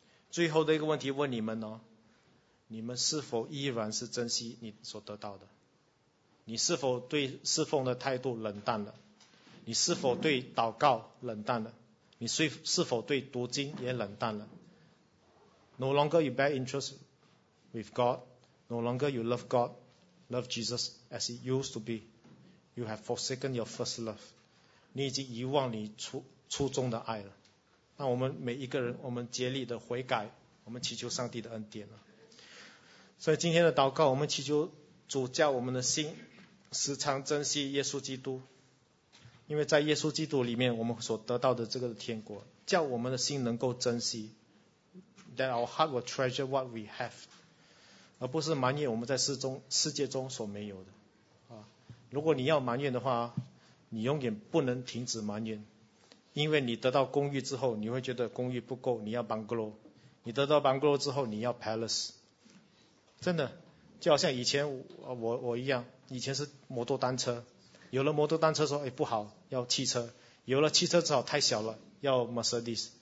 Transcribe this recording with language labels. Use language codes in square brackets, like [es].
[zh] 最后的一个问题问你们哦，你们是否依然是珍惜你所得到的？你是否对侍奉的态度冷淡了？你是否对祷告冷淡了？你是否对读经也冷淡了？ [en] No longer you bear interest with God, no longer you love God, love Jesus as it used to be. You have forsaken your first love. [zh] 你已经遗忘你初中的爱了。那我们每一个人，我们竭力的悔改，我们祈求上帝的恩典了。所以今天的祷告，我们祈求主教我们的心时常珍惜耶稣基督，因为在耶稣基督里面我们所得到的这个天国，叫我们的心能够珍惜。 [en] That our heart will treasure what we have, [zh] 而不是埋怨我们在世界中所没有的。如果你要埋怨的话，你永远不能停止埋怨，因为你得到公寓之后，你会觉得公寓不够，你要 bungalow。你得到 bungalow 之后，你要 palace。真的就好像以前 我一样，以前是摩托单车，有了摩托单车说，哎，不好，要汽车，有了汽车之后太小了，要 Mercedes。